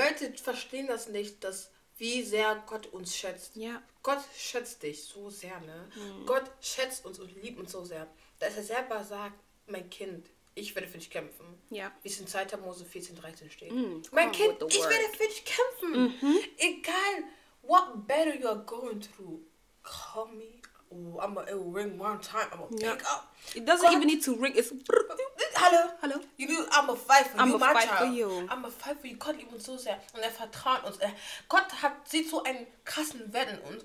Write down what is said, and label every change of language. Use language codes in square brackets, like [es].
[de] Leute verstehen das nicht, dass wie sehr Gott uns schätzt. Yeah. Gott schätzt dich so sehr, ne? Mm. Gott schätzt uns und liebt uns so sehr, dass er selber sagt, mein Kind, ich werde für dich kämpfen. Ja. Wie es in 2. Mose 14, 13 steht. Mm, mein Kind, ich werde für dich kämpfen. Mm-hmm. Egal, [en] what battle you are going through, call me. Oh, I'm gonna ring one time. I'm gonna pick up. It doesn't even need to ring. It's. [de] Hallo. Hallo. [en] You know, I'm gonna fight for you, my child. I'm gonna fight for you. I'm gonna fight for you. [de] Gott liebt uns so sehr. Und er vertraut uns. Gott hat, sieht so einen krassen Wert in uns.